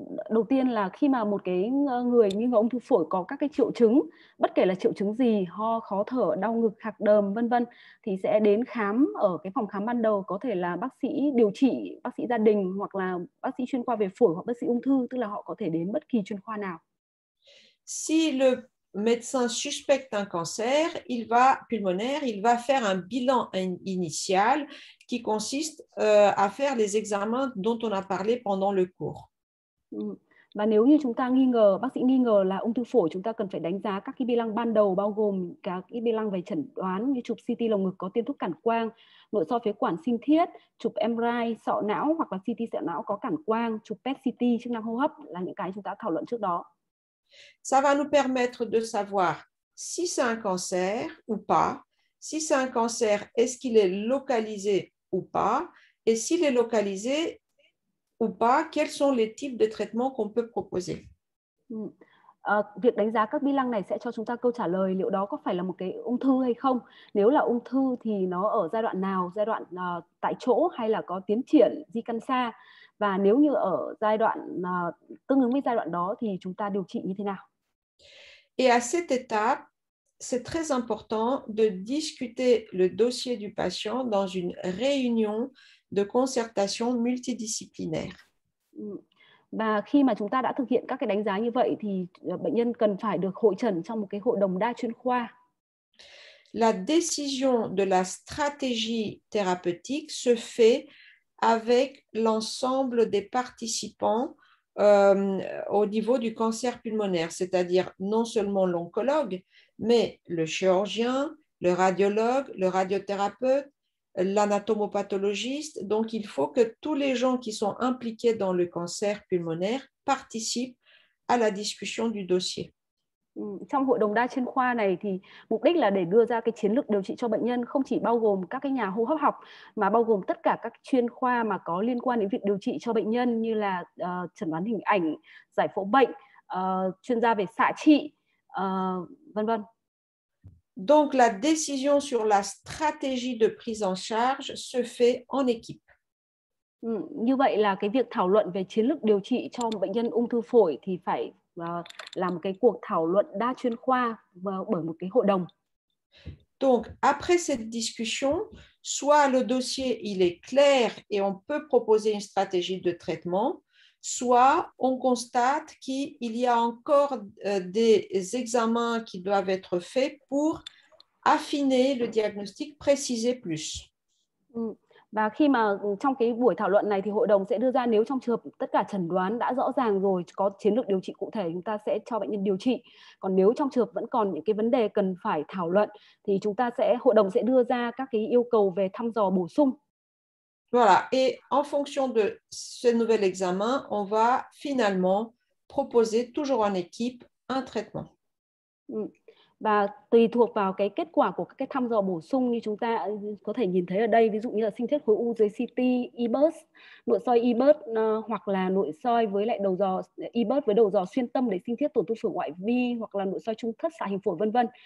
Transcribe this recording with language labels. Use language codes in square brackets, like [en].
[vi] Đầu tiên là khi mà một cái người như ung thư phổi có các cái triệu chứng, bất kể là triệu chứng gì, ho, khó thở, đau ngực, khạc đờm, vân vân, thì sẽ đến khám ở cái phòng khám ban đầu, có thể là bác sĩ điều trị, bác sĩ gia đình hoặc là bác sĩ chuyên khoa về phổi hoặc bác sĩ ung thư, tức là họ có thể đến bất kỳ chuyên khoa nào. [fr] Si le médecin suspecte un cancer, il va pulmonaire, il va faire un bilan initial qui consiste à faire les examens dont on a parlé pendant le cours. [vi] Và nếu như chúng ta nghi ngờ, bác sĩ nghi ngờ là ung thư phổi, chúng ta cần phải đánh giá các cái bi lăng ban đầu, bao gồm các cái bi lăng về chẩn đoán như chụp CT lồng ngực có tiên thúc cản quang, nội soi phế quản sinh thiết, chụp MRI sọ não hoặc là CT sọ não có cản quang, chụp PET CT chức năng hô hấp là những cái chúng ta thảo luận trước đó. [fr] Ça va nous permettre de savoir si c'est un cancer ou pas, si c'est un cancer, est-ce qu'il est localisé ou pas, et s'il est localisé ou pas, quels sont les types de traitements qu'on peut proposer. [vi] Việc đánh giá các bi lăng này sẽ cho chúng ta câu trả lời liệu đó có phải là một cái ung thư hay không. Nếu là ung thư thì nó ở giai đoạn nào, giai đoạn tại chỗ hay là có tiến triển di căn xa. Và nếu như ở giai đoạn tương ứng với giai đoạn đó thì chúng ta điều trị như thế nào. [fr] Et à cette étape, c'est très important de discuter le dossier du patient dans une réunion de concertation multidisciplinaire. [vi] Và khi mà chúng ta đã thực hiện các cái đánh giá như vậy thì bệnh nhân cần phải được hội chẩn trong một cái hội đồng đa chuyên khoa. [fr] La décision de la stratégie thérapeutique se fait avec l'ensemble des participants au niveau du cancer pulmonaire, c'est-à-dire non seulement l'oncologue, mais le chirurgien, le radiologue, le radiothérapeute, l'anatomopathologiste, donc il faut que tous les gens qui sont impliqués dans le cancer pulmonaire participent à la discussion du dossier. [vi] Trong hội đồng đa chuyên khoa này thì mục đích là để đưa ra cái chiến lược điều trị cho bệnh nhân, không chỉ bao gồm các cái nhà hô hấp học mà bao gồm tất cả các chuyên khoa mà có liên quan đến việc điều trị cho bệnh nhân, như là chẩn đoán hình ảnh, giải phẫu bệnh, chuyên gia về xạ trị, vân vân. [fr] Donc la décision sur la stratégie de prise en charge se fait en équipe. [vi] Như vậy là cái việc thảo luận về chiến lược điều trị cho bệnh nhân ung thư phổi thì phải làm cái cuộc thảo luận đa chuyên khoa bởi một cái hội đồng. [fr] Donc après cette discussion, soit le dossier il est clair et on peut proposer une stratégie de traitement, soit on constate qu'il y a encore des examens qui doivent être faits pour affiner le diagnostic, préciser plus. [vi] Và khi mà trong cái buổi thảo luận này thì hội đồng sẽ đưa ra nếu trong trường hợp tất cả chẩn đoán đã rõ ràng rồi, có chiến lược điều trị cụ thể, chúng ta sẽ cho bệnh nhân điều trị. Còn nếu trong trường hợp vẫn còn những cái vấn đề cần phải thảo luận thì chúng ta sẽ, hội đồng sẽ đưa ra các cái yêu cầu về thăm dò bổ sung. [fr] Voilà, et en fonction de ce nouvel examen, on va finalement proposer toujours en équipe un traitement. [vi] Và tùy thuộc vào cái kết quả của cái thăm dò bổ sung như chúng ta có thể nhìn thấy ở đây, ví dụ như là sinh thiết khối u dưới CT, EBUS, nội soi EBUS hoặc là nội soi với lại đầu dò EBUS với đầu dò xuyên tâm để sinh thiết tổn thương phổi ngoại vi hoặc là nội soi trung thất xạ hình phổi vân vân.